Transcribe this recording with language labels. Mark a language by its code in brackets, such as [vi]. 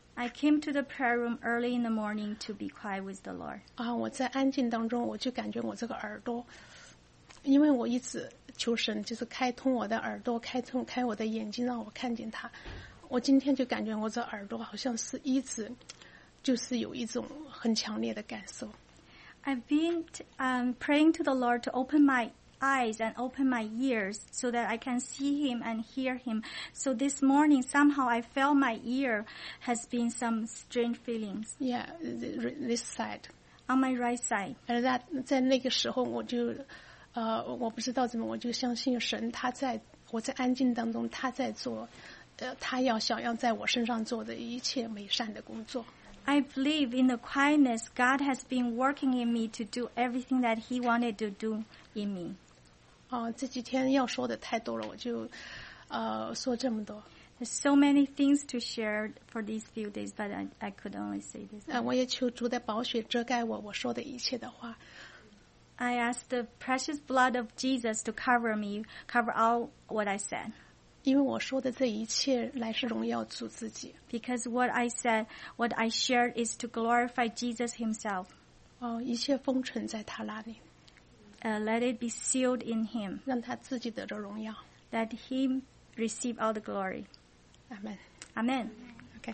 [en] I came to the prayer room early in the morning to be quiet with the Lord. [zh] 我在安静当中我就感觉我这个耳朵，因为我一直求神就是开通我的耳朵，开通开我的眼睛让我看见他。我今天就感觉我这耳朵好像是一直就是有一种很强烈的感受。 [en] I've been praying to the Lord to open my eyes and open my ears so that I can see him and hear him. So this morning, somehow I felt my ear has been some strange feelings. Yeah, this side. On my right side. And that, [zh] 在那个时候我就我不知道怎么我就相信神他在我在安静当中他在做他要想要在我身上做的一切美善的工作。 [en] I believe in the quietness God has been working in me to do everything that he wanted to do in me. [zh] 这几天要说的太多了，我就说这么多。 [en] There's so many things to share for these few days, but I could only say this. [zh] 我也求主的宝血遮盖我说的一切的话。 [en] I ask the precious blood of Jesus to cover me, cover all what I said. [zh] 因为我说的这一切乃是荣耀主自己。 [en] Because what I said, what I shared is to glorify Jesus himself. [zh] 一切封存在他那里。 [en] Let it be sealed in him. [zh] 让他自己得着荣耀。 [en] Let him receive all the glory. Amen. Amen. Okay.